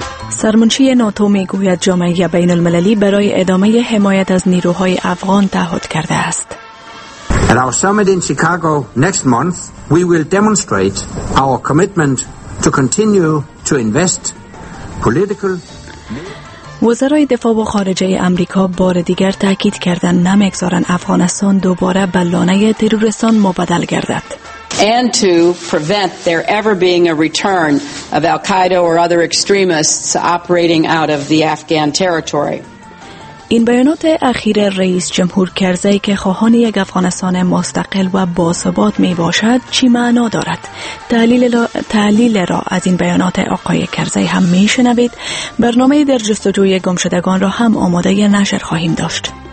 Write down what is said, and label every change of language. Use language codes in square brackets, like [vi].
[fa] سرمنشی ناتو می گوید جامعه بین المللی برای ادامه حمایت از نیروهای افغان تعهد کرده است. [en] At our summit in Chicago next month, we will demonstrate our commitment to continue to invest political. [fa] وزرای دفاع و خارجه آمریکا بار دیگر تاکید کردند نمیگذارند افغانستان دوباره به لانه تروریستان مبدل گردد. [en] And to prevent there ever being a return of Al-Qaeda or other extremists operating out of the Afghan territory. [fa] این بیانات اخیر رئیس جمهور کرزی که خواهان یک افغانستان مستقل و باثبات می باشد چی معنا دارد؟ تحلیل را از این بیانات آقای کرزی هم می شنوید. برنامه در جستجوی گمشدگان را هم آماده نشر خواهیم داشت.